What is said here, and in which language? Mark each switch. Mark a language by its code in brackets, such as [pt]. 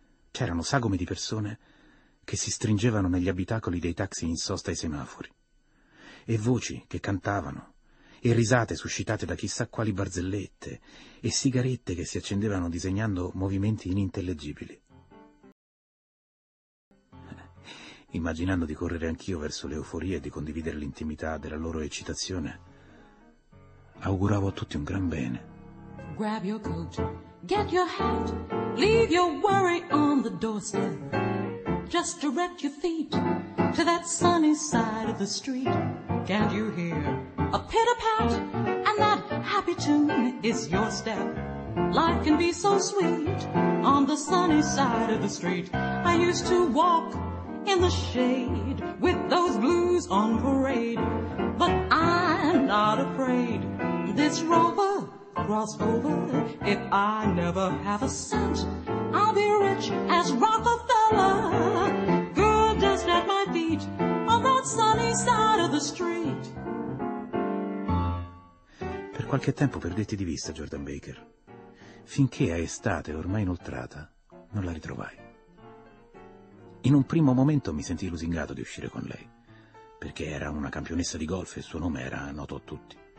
[it] C'erano sagome di persone che si stringevano negli abitacoli dei taxi in sosta ai semafori, e voci che cantavano, e risate suscitate da chissà quali barzellette, e sigarette che si accendevano disegnando movimenti inintellegibili. Immaginando di correre anch'io verso l'euforia e di condividere l'intimità della loro eccitazione, auguravo a tutti un gran bene. [en] Grab your coat, get your hat, leave your worry on the doorstep. Just direct your feet to that sunny side of the street. Can't you hear a pitter-pat? And that happy tune is your step. Life can be so sweet on the sunny side of the street. I used to walk in the shade with those blues on parade, but I'm not afraid. This rover cross over. If I never have a cent, I'll be rich as Rockefeller. Good dust at my feet on that sunny side of the street. [it] Per qualche tempo perdetti di vista Jordan Baker, finché a estate ormai inoltrata non la ritrovai. In un primo momento mi sentii lusingato di uscire con lei, perché era una campionessa di golf e il suo nome era noto a tutti.